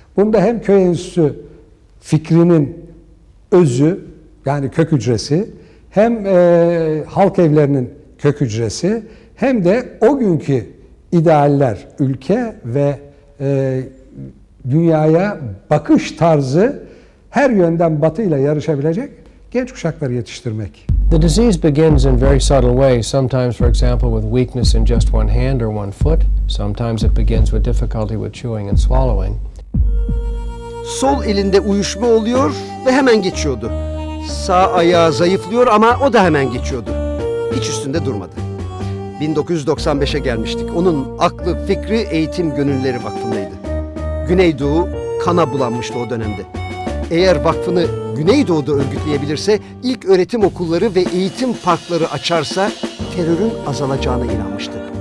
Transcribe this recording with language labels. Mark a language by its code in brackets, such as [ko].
[tr] Bunda hem köy enstitüsü fikrinin özü, yani kök hücresi, hem halk evlerinin kök hücresi, hem de o günkü idealler, ülke ve dünyaya bakış tarzı her yönden batıyla yarışabilecek genç kuşakları yetiştirmek. [en] The disease begins in very subtle ways, sometimes, for example, with weakness in just one hand or one foot. Sometimes it begins with difficulty with chewing and swallowing. [tr] Sol elinde uyuşma oluyor ve hemen geçiyordu. Sağ ayağı zayıflıyor ama o da hemen geçiyordu. Hiç üstünde durmadı. 1995'e gelmiştik. Onun aklı, fikri Eğitim Gönülleri Vakfı'ndaydı. Güneydoğu kana bulanmıştı o dönemde. Eğer vakfını Güneydoğu'da örgütleyebilirse, ilk öğretim okulları ve eğitim parkları açarsa terörün azalacağına inanmıştı.